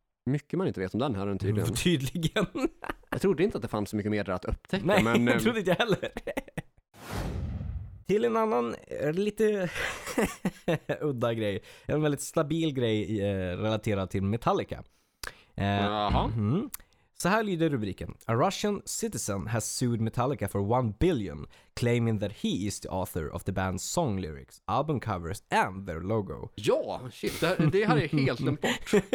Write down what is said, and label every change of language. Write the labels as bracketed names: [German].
[Swedish] Mycket man inte vet om den här, tydligen. Tydligen. Jag trodde inte att det fanns så mycket mer där att upptäcka. Nej, men, jag trodde inte jag heller. Till en annan lite udda grej. En väldigt stabil grej relaterad till Metallica. Jaha. Mm-hmm. Så här lyder rubriken. [English] A Russian citizen has sued Metallica for $1 billion, claiming that he is the author of the band's song lyrics, album covers and their logo. [Swedish] Ja, shit, det här är helt en bort.